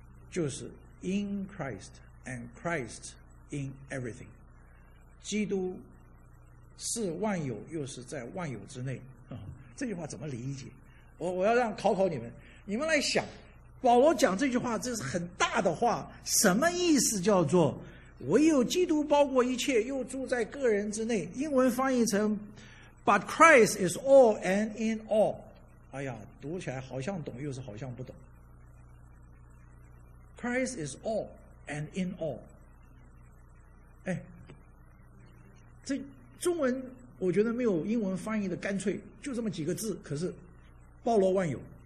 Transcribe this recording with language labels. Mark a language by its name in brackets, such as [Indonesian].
[Chinese] 就是 [English] in Christ and Christ in everything， [Chinese] 基督是万有，又是在万有之内。这句话怎么理解？我要让考考你们，你们来想，保罗讲这句话，这是很大的话，什么意思？叫做唯有基督包括一切，又住在个人之内。英文翻译成 [English] But Christ is all and in all。 [Chinese] 哎呀，读起来好像懂，又是好像不懂。 [English] Christ is all and in all。 [Chinese] 哎，这中文我觉得没有英文翻译的干脆，就这么几个字，可是包罗万有。